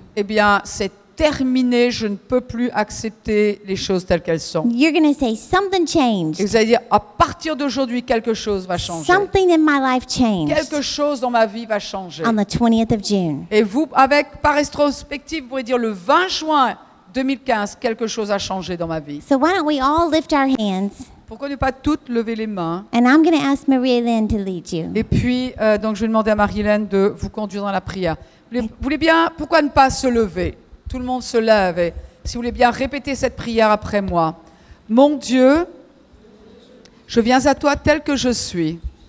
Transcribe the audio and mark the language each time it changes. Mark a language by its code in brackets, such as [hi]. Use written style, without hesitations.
[fr] Eh bien, c'est terminé, je ne peux plus accepter les choses telles qu'elles sont. [en] You're going to say something changed. [fr] Et vous allez dire, à partir d'aujourd'hui, quelque chose va changer. [en] Something in my life changed. [fr] Quelque chose dans ma vie va changer. [en] On the 20th of June. [fr] Et vous, avec par rétrospective, vous pourrez dire, le 20 juin 2015, quelque chose a changé dans ma vie. [en] So why don't we all lift our hands? [fr] Pourquoi ne pas toutes lever les mains? [en] And I'm going to ask Marie-Hélène to lead you. [fr] Et puis, donc je vais demander à Marie-Hélène de vous conduire dans la prière. Vous voulez bien, pourquoi ne pas se lever? Tout le monde se lève et si vous voulez bien répéter cette prière après moi. Mon Dieu, je viens à toi tel que je suis.